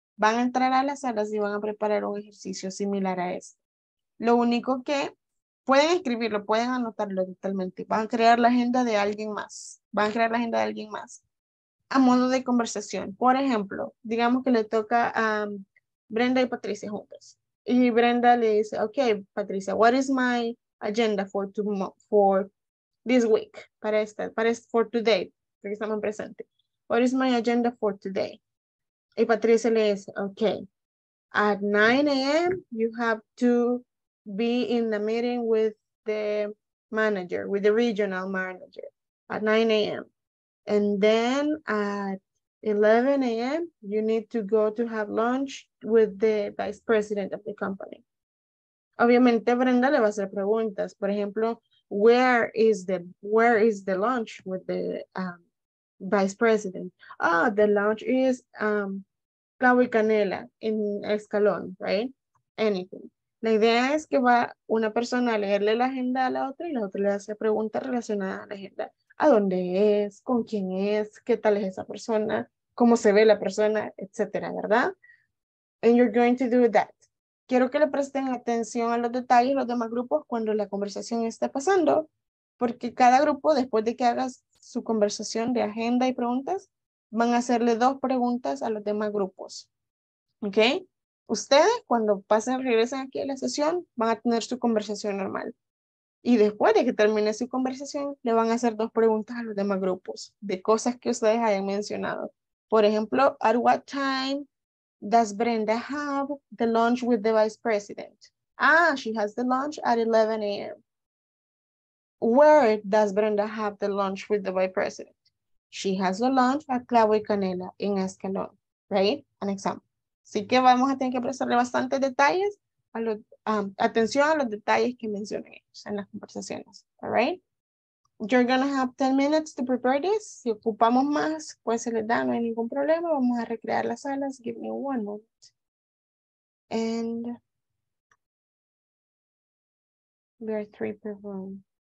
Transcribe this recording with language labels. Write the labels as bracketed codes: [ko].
[es] Van a entrar a las salas y van a preparar un ejercicio similar a este. Lo único que pueden escribirlo, pueden anotarlo totalmente. Van a crear la agenda de alguien más. Van a crear la agenda de alguien más. A modo de conversación. Por ejemplo, digamos que le toca a Brenda y Patricia juntas. Y Brenda le dice, [en] okay, Patricia, what is my agenda for this week? For today. [es] Que estamos presente. [en] What is my agenda for today? [es] Y Patricia le dice, [en] okay, at 9 a.m. you have to be in the meeting with the manager, with the regional manager at 9 a.m. And then at 11 a.m. you need to go to have lunch with the vice president of the company. [es] Obviamente Brenda le va a hacer preguntas. Por ejemplo, [en] where is the lunch with the vice president. The lunch is clavo y canela in escalón, right? Anything. [es] La idea es que va una persona a leerle la agenda a la otra le hace preguntas relacionadas a la agenda. ¿A dónde es? ¿Con quién es? ¿Qué tal es esa persona? ¿Cómo se ve la persona? Etcétera, ¿verdad? [en] And you're going to do that. [es] Quiero que le presten atención a los detalles, los demás grupos, cuando la conversación esté pasando, porque cada grupo, después de que hagas su conversación de agenda y preguntas, van a hacerle dos preguntas a los demás grupos. ¿Ok? Ustedes, cuando pasen, regresen aquí a la sesión, van a tener su conversación normal. Y después de que termine su conversación, le van a hacer dos preguntas a los demás grupos de cosas que ustedes hayan mencionado. Por ejemplo, [en] at what time does Brenda have the lunch with the vice president? Ah, she has the lunch at 11 a.m. Where does Brenda have the lunch with the vice president? She has the lunch at Clavo y Canela in Escalón, right? An example. [es] Así que vamos a tener que prestarle bastantes detalles, a lo, atención a los detalles que mencionen ellos en las conversaciones, all right? [en] You're going to have 10 minutes to prepare this. [es] Si ocupamos más, pues se les da, no hay ningún problema. Vamos a recrear las salas. [en] Give me one moment. And there are three per room.